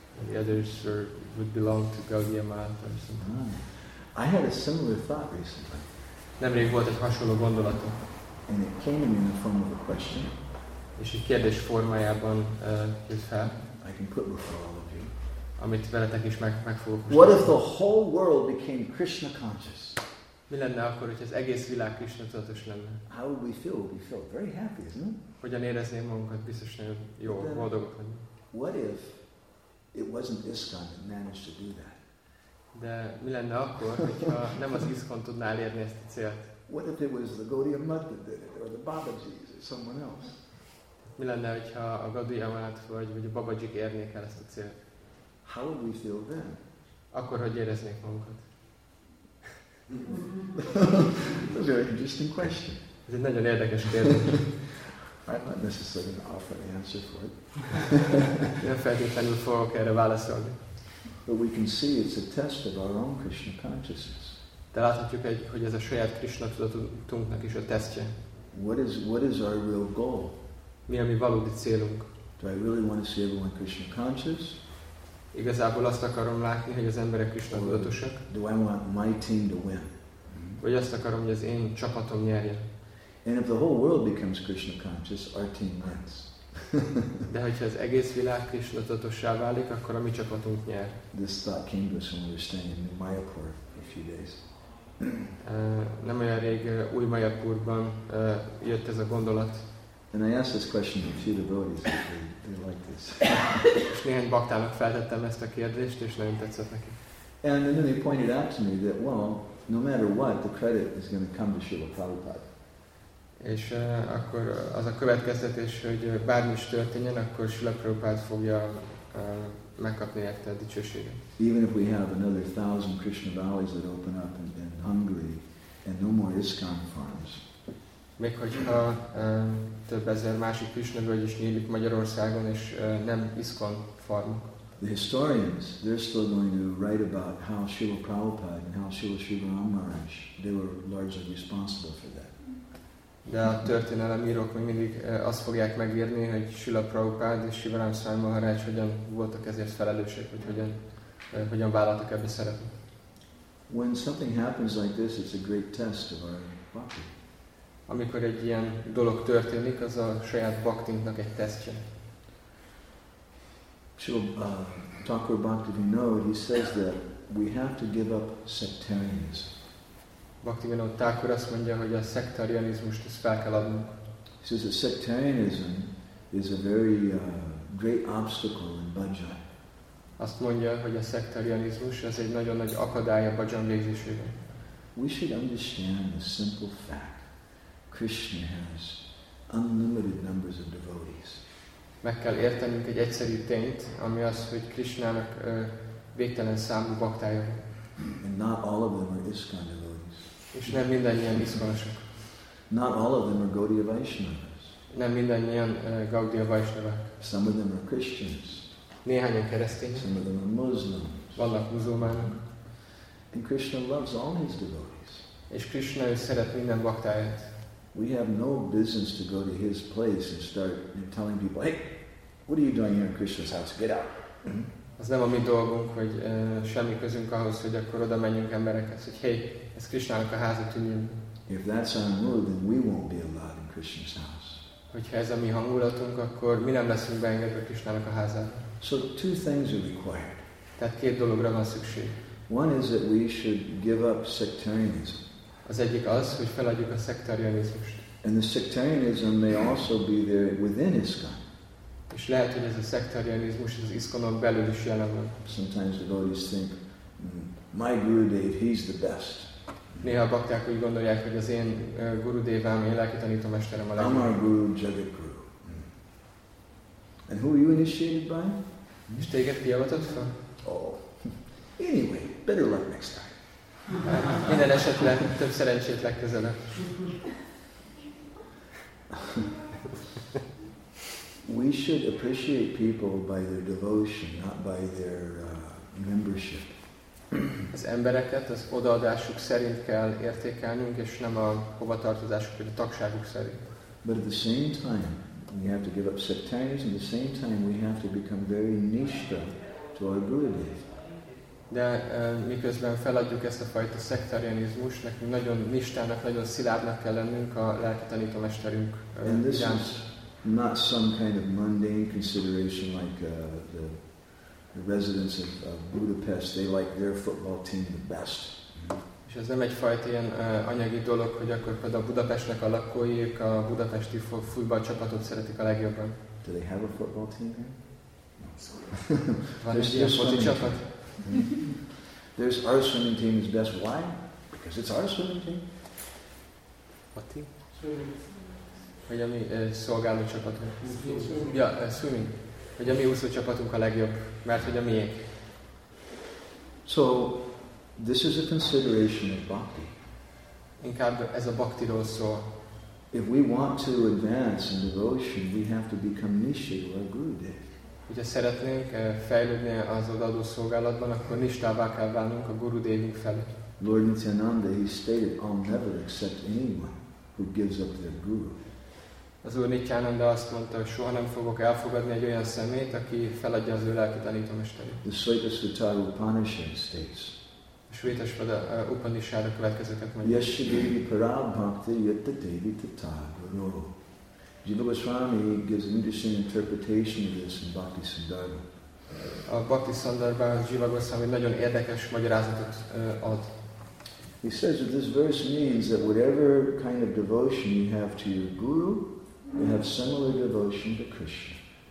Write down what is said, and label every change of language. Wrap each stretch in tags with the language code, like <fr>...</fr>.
<en>The others would belong to Gaudiya Math or something. I had a similar thought recently.</en> <hu>Nemrég volt egy hasonló gondolatom.</hu> <en>And it came in the form of a question.</en> <hu>És egy kérdés formájában jött fel.</hu> <en>I can put before all of you.</en> <hu>Amit veletek is meg fogok.</hu> <en>What if the whole world became Krishna conscious?</en> <hu>Mi lenne akkor, hogy az egész világ Krishna tudatos lenne?</hu> <en>How would we feel? We feel very happy, isn't it?</en> <hu>Hogyan éreznénk magunkat? Biztos nagyon jó, boldogok vagyunk.</hu> <en>What if it wasn't ISKCON that managed to do that?</en> <hu>De mi lenne akkor, hogyha nem az ISKCON tudná elérni ezt a célt?</hu> <en>What if it was the Gaudiya Math that did it, or the Babaji's, or someone else?</en> <hu>Mi lenne, hogyha a Gaudiya Math vagy a Babaji érnék el ezt a célt?</hu> <en>How would we feel then?</en> <hu>Akkor hogy éreznék magunkat?</hu> <en>That's a very interesting question.</en> <hu>Ez egy nagyon érdekes kérdés.</hu> <en>I'm not necessarily going to offer an answer for it.</en> <hu>Nem feltétlenül fogok erre válaszolni.</hu> <en>But we can see it's a test of our own Krishna consciousness.</en> <hu>De láthatjuk, hogy ez a saját Krishna tudatunknak is a tesztje.</hu> <en>What is our real goal?</en> <hu>Mi a mi valódi célunk?</hu> <en>Do I really want to see everyone Krishna conscious?</en> <hu>Igazából azt akarom látni, hogy az emberek Krishna tudatosak.</hu> <en>Do I want my team to win?</en> <hu>Vagy azt akarom, hogy az én csapatom nyerje.</hu> <en>And if the whole world becomes Krishna conscious, our team wins.</en> <hu>De hogyha az egész világ Krishna tudatossá válik, akkor a mi csapatunk nyer.</hu> <en>This thought came to us when we were staying in Mayapur a few days.</en> <hu>Nem olyan rég új Mayapurban jött ez a gondolat.</hu> <en>And I asked this question to a few devotees. They like this.</en> <hu>És néhány baktának feltettem ezt a kérdést, és nagyon tetszett neki.</hu> <en>And then they pointed out to me that, well, no matter what, the credit is going to come to Srila Prabhupada.</en> <hu>És akkor az a következtetés, hogy bármi is történjen, akkor Srila Prabhupada fogja megkapni érte a dicsőséget.</hu> <en>Even if we have another 1,000 Krishna valleys that open up in Hungary, and no more ISKCON farms.</en> <hu>Még hogyha több ezer másik Krishna-völgy is nyílik Magyarországon, és nem ISKCON farmok.</hu> <en>The historians, they're still going to write about how Srila Prabhupada and how Srila Sri Ram Maharaj, they were largely responsible for that.</en> <hu>De a történelemírók még mindig azt fogják megírni, hogy Srila Prabhupada és Sri Ram Maharaj hogyan voltak ezért felelősek, hogy hogyan vállaltak ebbe szerepet.</hu> <en>When something happens like this, it's a great test of our bhakti.</en> <hu>Amikor egy ilyen dolog történik, az a saját bhaktinknak egy tesztje.</hu> <en>Thakur Bhaktivinoda, he says that we have to give up sectarianism.</en> <hu>Bhaktivinoda Thakur azt mondja, hogy a szektarianizmust ezt fel kell adnunk.</hu> <en>He says that sectarianism is a very great obstacle in bhajan.</en> <hu>Azt mondja, hogy a szektarianizmus az egy nagyon nagy akadály a bhajan végzésében.</hu> <en>We should understand the simple fact: Krishna has unlimited numbers of devotees.</en> <hu>Meg kell értenünk egy egyszerű tényt, ami az, hogy Krishnának végtelen számú baktája van.</hu> <en>And not all of them are ISKCON devotees.</en> <hu>És nem mindannyian ISKCON-osok.</hu> <en>Not all of them are Gaudiya Vaishnavas.</en> <hu>Nem mindannyian Gaudiya Vaishnavas.</hu> <en>Some of them are Christians.</en> <hu>Néhányan keresztények.</hu> <en>Some of them are Muslims.</en> <hu>Vannak muzulmánok.</hu> <en>And Krishna loves all his devotees.</en> <hu>És Krishna is szeret minden baktáját.</hu> <en>We have no business to go to his place and start telling people, hey, what are you doing here in Krishna's house? Get out.</en> <hu>Az nem a mi dolgunk, hogy semmi közünk ahhoz, hogy akkor oda menjünk emberekhez, hogy hey, ez Krishnának a háza, tűnjön.</hu> <en>If that's our mood, then we won't be allowed in Krishna's house.</en> <hu>Hogyha ez a mi hangulatunk, akkor mi nem leszünk beengedve Krishnának a házába.</hu> <en>So two things are required.</en> <hu>Tehát két dologra van szükség.</hu> <en>One is that we should give up sectarianism.</en> <hu>Az egyik az, hogy feladjuk a szektarianizmust.</hu> <en>And the sectarianism may also be there within ISKCON.</en> <hu>És lehet, hogy ez a szektarianizmus az ISKCON-on belül is jelen van.</hu> <en>Sometimes devotees think, my Gurudev, he's the best.</en> <hu>Néha a bakták úgy gondolják, hogy az én Gurudevám, én lelki tanító mesterem a legjobb.</hu> <en>I'm our Guru, Jagat Guru. And who are you initiated by?</en> <hu>És téged kiavatott fel?</hu> <en>Oh. Anyway, better luck next time.</en> <hu>Minden esetre több szerencsét legközelebb.</hu> <en>We should appreciate people by their devotion, not by their membership.</en> <hu>Az embereket az odaadásuk szerint kell értékelnünk, és nem a hovatartozásuk, vagy a tagságuk szerint.</hu> <en>But at the same time, we have to give up sectarianism. At the same time, we have to become very nishtha to our Gurudev.</en> <hu>De miközben feladjuk ezt a fajta szektarianizmust, nekünk nagyon nistának, nagyon szilárdnak kell lennünk a lelki tanító mesterünk.</hu> <en>And this is not some kind of mundane consideration like the residents of Budapest, they like their football team the best.</en> <hu>És ez nem egy fajta ilyen anyagi dolog, hogy akkor például Budapestnek a lakóik a budapesti futballcsapatot szeretik a legjobban.</hu> <en>Do they have a football team here?</en> <hu>Van egy ilyen foci csapat?</hu> <en>There's our swimming team is best. Why? Because it's our swimming team. What team? Swimming.</en> <hu>Hogy a mi szolgáló csapatunk. Swimming. Hogy a mi úszó csapatunk a legjobb, mert hogy a miénk.</hu> <en>So, this is a consideration of bhakti.</en> <hu>Inkább ez a bhaktiról szól.</hu> <en>If we want to advance in devotion, we have to become nishi or gurude.</en> <hu>Hogyha szeretnénk fejlődni az odaadó szolgálatban, akkor nishtává kell válnunk a Gurudevünk felé.</hu> <en>Lord Nityananda, he stated, I'll never accept anyone who gives up their guru.</en> <hu>Az Úr Nityananda azt mondta, hogy soha nem fogok elfogadni egy olyan szemét, aki feladja az ő lelki tanítomesterét.</hu> <en>The Svetasvatara Upanishad states,</en> <hu>a Svetasvatara Upanishad a következőket mondja.</hu> <sa>Yashadevi parabhakti yattadevi tathagunoro.</sa> <en>Jiva Goswami gives an interesting interpretation of this in Bhakti Sandarbha.</en> <hu>A Bhakti Sandarbha Jiva Goswami nagyon érdekes magyarázatot ad.</hu> <en>He says that this verse means that whatever kind of devotion you have to your guru, you have similar devotion to Krishna.</en>